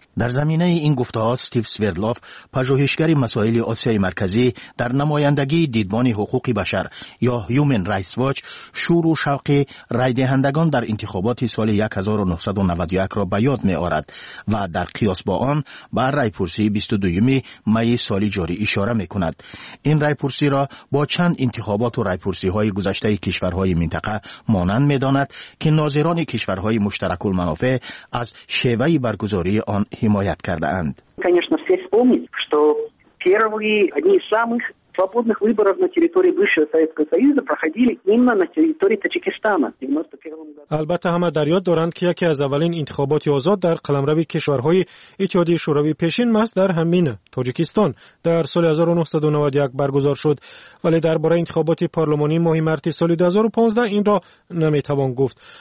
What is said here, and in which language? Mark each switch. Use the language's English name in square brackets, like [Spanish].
[Persian] در زمینه این گفته‌ها استیو سویردلوف، پژوهشگر مسائل آسیای مرکزی در نمایندگی دیدبان حقوق بشر یا Human Rights Watch، شور و شوق رای دهندگان در انتخابات سال 1991 را به یاد می‌آورد و در قیاس با آن به رایپرسی 22 می سال جاری اشاره می‌کند. این رایپرسی را با چند انتخابات و رایپرسی‌های گذشته کشورهای منطقه مانند می‌داند که ناظران کشورهای مشترک المنافع از شیوه برگزاری آن حمایت کرده اند. [Russian] Конечно, все вспомнят, что первые одни из самых свободных выборов на территории бывшего Советского Союза проходили именно на территории Таджикистана. [Persian] البته همه در یاد دارند که یکی از اولین انتخابات آزاد در قلمرو کشورهای اتحادیه شوروی پیشین ماست در همین تاجیکستان در سال 1991 برگزار شد، ولی درباره انتخابات پارلمانی ماه مارس سال 2015 این را نمیتوان گفت.